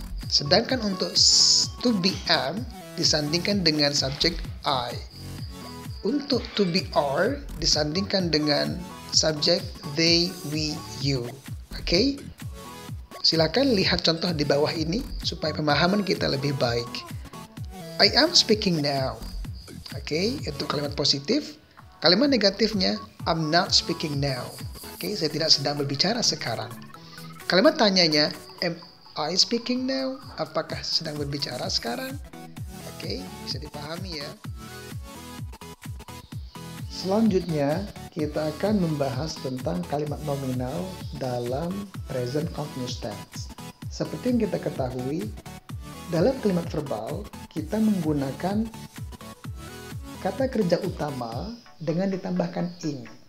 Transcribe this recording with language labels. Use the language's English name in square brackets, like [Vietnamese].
[Indonesian] Sedangkan untuk to be am, disandingkan dengan subject, I. Untuk to be are, disandingkan dengan subject, they, we, you. Okay? Silakan lihat contoh di bawah ini supaya pemahaman kita lebih baik. [English] I am speaking now. Okay, itu kalimat positif. Kalimat negatifnya, I'm not speaking now. [Indonesian] Okay, saya tidak sedang berbicara sekarang. [English] Kalimat tanyanya, am I speaking now? [Indonesian] Apakah sedang berbicara sekarang? Okay, bisa dipahami ya. Selanjutnya, kita akan membahas tentang kalimat nominal dalam present continuous tense. Seperti yang kita ketahui, dalam kalimat verbal, kita menggunakan kata kerja utama dengan ditambahkan ing.